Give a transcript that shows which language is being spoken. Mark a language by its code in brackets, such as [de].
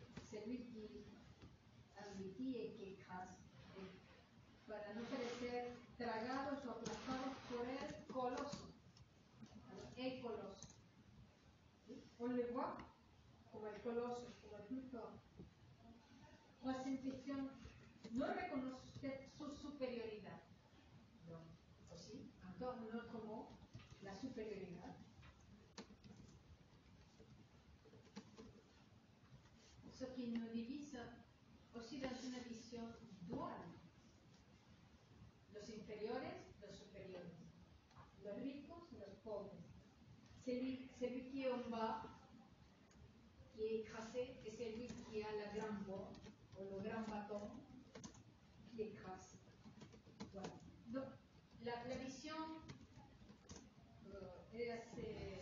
[fr] Celui qui admitit et qui écrase, pour ne pas être [es] tragados ou aplastados por el coloso. El coloso. [fr] On le voit comme [es] el coloso, [fr] comme le plus fort. Troisième question, [es] ¿no reconoce usted su superioridad? No, o sí, encore no como la superioridad. [fr] Ce qui nous divise aussi dans une vision duale. [es] Los inferiores, los superiores. Los ricos, los pobres. [fr] Celui qui est en bas, qui est écrasé, et celui qui a la grande voix, ou le grand bâton, qui écrase. Voilà. Donc, la vision est assez.